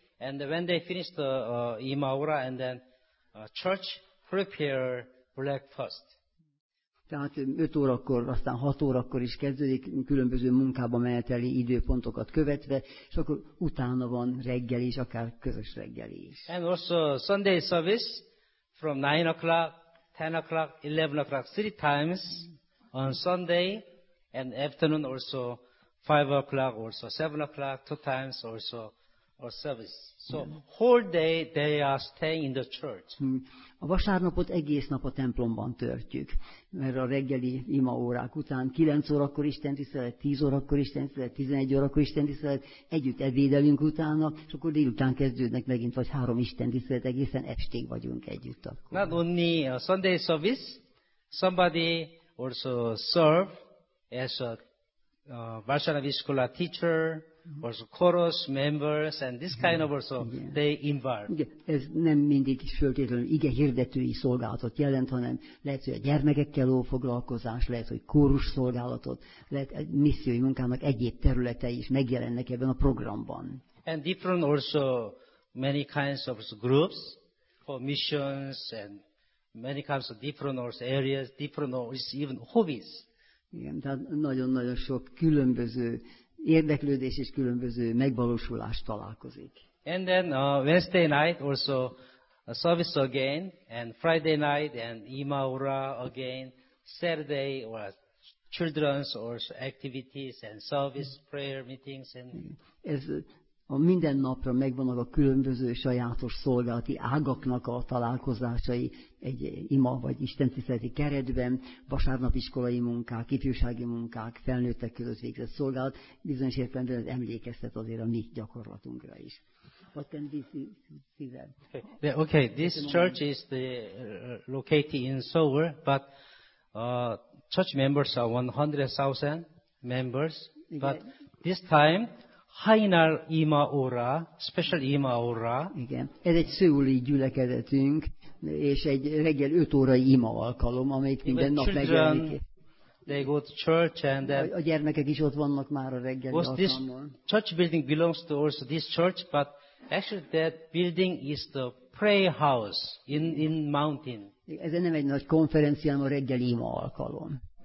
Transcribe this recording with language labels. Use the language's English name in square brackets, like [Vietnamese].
[English] And when they finish the ima ora, and then church prepare breakfast. [Hungarian] Tehát 5 órakor, aztán 6 órakor is kezdődik, különböző munkába meneteli időpontokat követve, és akkor utána van reggeli is, akár közös reggeli is. [English] And also Sunday service from 9 o'clock, 10 o'clock, 11 o'clock, 3 times on Sunday, and afternoon also 5 o'clock, also 7 o'clock, 2 times also. So whole day they are staying in the church. [Hungarian] A vasárnapot egész nap a templomban töltjük, mert a reggeli imaórák után 9 órakor istentisztelet, 10 órakor istentisztelet, 11 órakor istentisztelet, együtt ebédelünk utána, és akkor délután kezdődnek megint vagy 3 istentisztelet, egészen estig vagyunk együtt akkor. [English] Not only a Sunday service, somebody also serve as a [Hungarian] Vasárnapi iskola [English] teacher. Also chorus members and this kind of also they involved. [Hungarian] Ez nem mindig is feltétlenül ige hirdetői szolgálatot jelent, hanem lehet, hogy a gyermekekkel való foglalkozás, lehet, hogy kórus szolgálatot, lehet missziói munkának egyéb területei is megjelennek ebben a programban. [English] And different also many kinds of groups for missions and many kinds of different also areas, different also even hobbies. [Hungarian] Igen, tehát nagyon-nagyon sok különböző érdeklődés és különböző megvalósulás találkozik. [English] And then Wednesday night also a service again, and Friday night and ima ora again, Saturday was children's or activities and service prayer meetings and [Hungarian] ez a minden napra megvannak a különböző sajátos szolgálati ágaknak a találkozásai egy ima vagy istentiszteleti keretben, vasárnap iskolai munkák, ifjúsági munkák, felnőttek között végzett szolgálat, bizonyos értelemben ez emlékeztet azért a mi gyakorlatunkra is. [English] What can this be? Okay, this church is the, located in Seoul, but church members are 100,000 members, but this time [Hungarian] hajnal ima óra, [English] special [Hungarian] ima óra. Igen, ez egy szőuli gyülekezetünk, és egy reggel 5 órai ima alkalom, amelyik minden nap megjelenik. [English] They go to church and then [Hungarian] a gyermekek is ott vannak már a reggeli alkalommal. [English] This church building belongs to also this church, but actually that building is the prayer house in mountain. [Hungarian] Ez nem egy nagy konferencia, hanem a reggeli ima alkalom.